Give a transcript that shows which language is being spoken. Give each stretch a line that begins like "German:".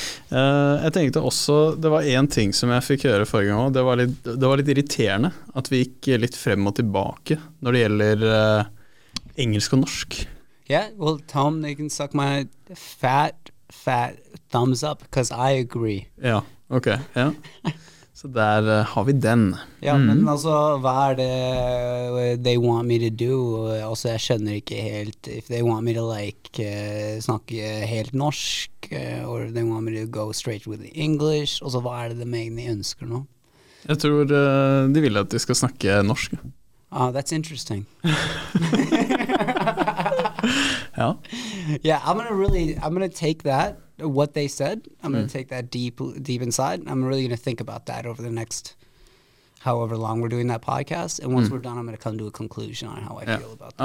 Norwegian: Jeg tenkte også, det var en ting som jeg fikk høre forrige gang, det var litt irriterende at vi gikk litt frem og tilbake når det gjelder engelsk og norsk.
English: Yeah, well, Tom, they can suck my fat thumbs up because I agree.
Norwegian: Ja, ok, ja. Så der har vi den. Ja, men altså, hva det
English: they want me to do?
Norwegian: Altså, jeg skjønner ikke helt
English: if they want me to like
Norwegian: snakke helt norsk
English: or they want me to go straight with the English.
Norwegian: Altså, hva det de egentlig ønsker nå? Jeg tror de vil at de skal snakke norsk.
English: Oh, that's interesting. Yeah. Yeah, I'm gonna take that what they said. I'm gonna take that deep inside. I'm really gonna think about that over the next however long we're doing that podcast. And once we're done, I'm gonna come to a conclusion on how I feel about that.